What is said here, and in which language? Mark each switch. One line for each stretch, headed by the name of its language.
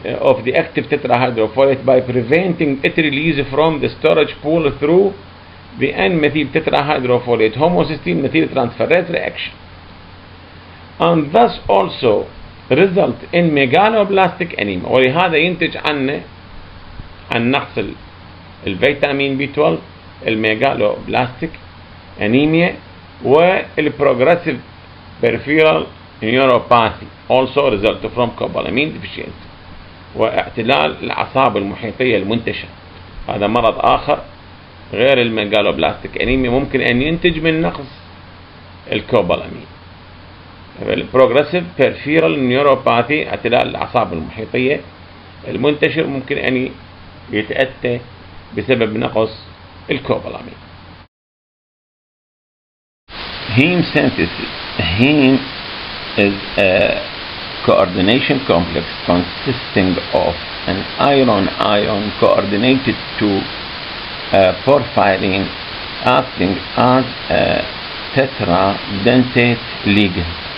English: Of the active tetrahydrofolate by preventing its release from the storage pool through the N-methyl tetrahydrofolate homocysteine methyl transferase reaction and thus also result in megaloblastic anemia.
Arabic: ولهذا ينتج عنه عن نقص الفيتامين بي 12 الميغالوبلاستيك انيميا والبروجريسيف بيرفيرال نيوروباثي
English: also result from cobalamin deficiency
Arabic: واعتلال الاعصاب المحيطيه المنتشر، هذا مرض اخر غير الميغالوبلاستيك انيميا ممكن ان ينتج من نقص الكوبالامين. البروجريسيف بيرفيرال نيوروباثي اعتلال الاعصاب المحيطيه المنتشر ممكن ان يتأتى بسبب نقص الكوبالامين.
English: Heme synthesis. Heme is a coordination complex consisting of an iron-ion coordinated to a porphyrin acting as a tetradentate ligand.